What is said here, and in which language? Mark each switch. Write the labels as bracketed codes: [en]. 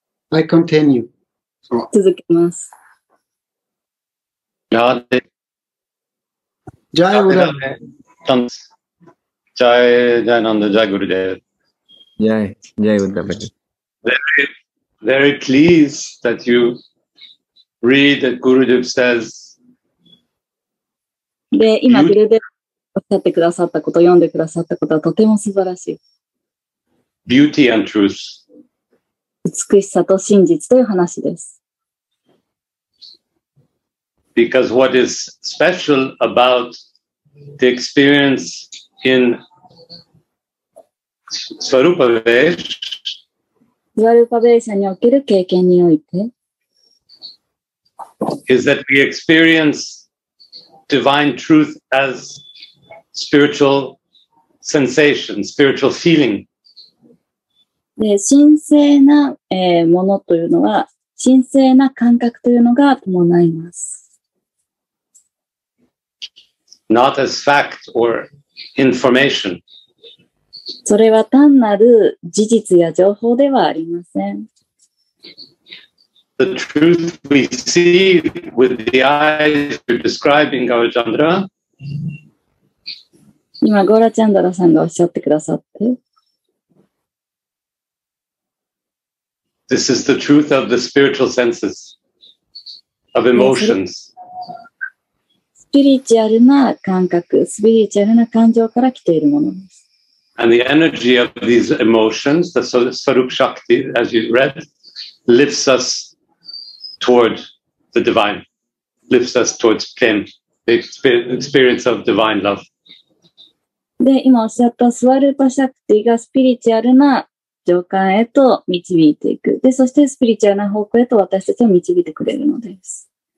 [en] I continue. [ja] 続けます。ラーデ。ジャイグルデ。ジャイなんだ、ジャイグルデ。ジャイグルデ。 [en] Very, very pleased that you read that Gurudev says. [ja] で、今、グルデおっしゃってくださったこと、読んでくださったことはとても素晴らしい。 [en] Beauty and truth. [ja] 美しさと真実という話です。 [en] Because what is special about the experience in Svarupavesha [ja] における経験において [en] is that we experience divine truth as spiritual sensation, spiritual feeling. [ja] で神聖な、ものというのは神聖な感覚というのが伴います。 [en] Not as fact or information. [ja] それは単なる事実や情報ではありません。 [en] The truth we see with the eyes you're describing, Gaurachandra. [ja] 今、ゴラチャンドラさんがおっしゃってくださって。 [en] This is the truth of the spiritual senses, of emotions. [ja] スピリチュアルな感覚、スピリチュアルな感情から来ているものです。 [en] And the energy of these emotions, the Swarup Shakti, as you read, lifts us toward the divine, lifts us towards Prem, the experience of divine love. [ja] で、今おっしゃったスワルパシャクティがスピリチュアルな上巻へと導いていく。で、そしてスピリチュアルな方向へと私たちを導いてくれるのです。